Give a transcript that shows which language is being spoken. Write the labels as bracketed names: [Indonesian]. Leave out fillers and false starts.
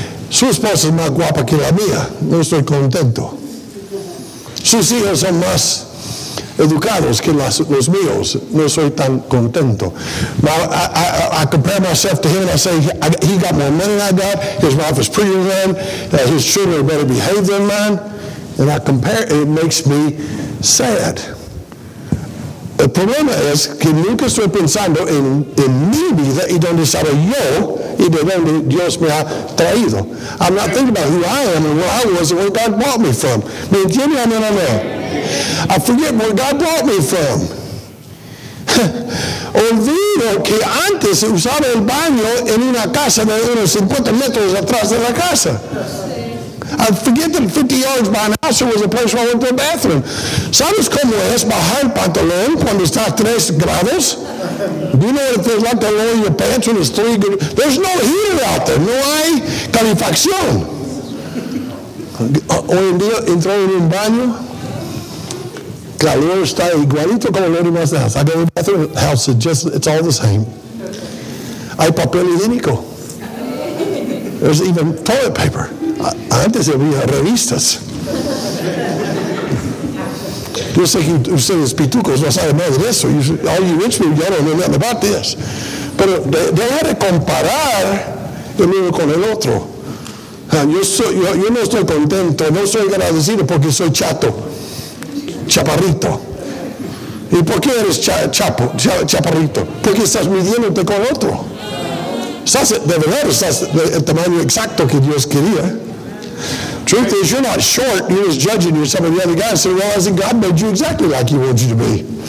[Spanish] Su esposa es más guapa que la mía. No estoy contento. Sus hijos son más educados que los míos. No soy tan contento. [English] I compare myself to him and I say, he got more money than I got. His wife is prettier than him. His children are better behaved than mine. And I compare, and it makes me sad. [Spanish] El problema es que nunca estoy pensando en mi vida y donde estaba yo y de donde Dios me ha traído. [English] I'm not thinking about who I am and where I was and where God brought me from. [Spanish] ¿Me entiendes? [English] Amen, amen. I forget where God brought me from. [Spanish] Olvido que antes usaba el baño en una casa de unos 50 metros atrás de la casa. [English] I forget that 50 yards by an house was a place where I went to the bathroom. [Spanish] ¿Sabes cómo es bajar el pantalón cuando está 3 grados? [English] Do you know what it feels like to lower your pants when it's 3 degrees? There's no heater out there. [Spanish] No hay calefacción. Hoy en día entró en un baño. Calor está igualito como lo demás de la casa. [English] I go to the bathroom. The house is just, it's all the same. [Spanish] Hay papel higiénico. [English] There's even toilet paper. [Spanish] Antes había revistas. Yo sé que ustedes pitucos no saben nada de eso. [English] All you rich people, y'all don't know nothing about this. [Spanish] Pero deja de comparar el uno con el otro. Yo no estoy contento, no soy agradecido porque soy chato, chaparrito. ¿Y por qué eres chaparrito? Porque estás midiéndote con otro. Estás, de verdad, estás del tamaño exacto que Dios quería. [English] Truth is, you're not short, you're just judging yourself and the other guy. So, well, hasn't God made you exactly like he wants you to be?